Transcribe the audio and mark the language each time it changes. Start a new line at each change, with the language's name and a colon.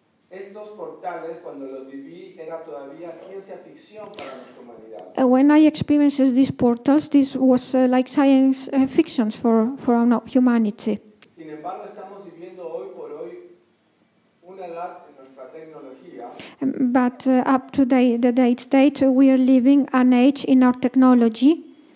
Spanish: Estos portales, cuando los viví, era todavía ciencia ficción para nuestra humanidad.
English: When I experienced these portals, this was like science fiction for our humanity.
Spanish: Sin embargo, estamos viviendo hoy por hoy una edad en nuestra tecnología.
English: But up to the date, we are living an age in our technology.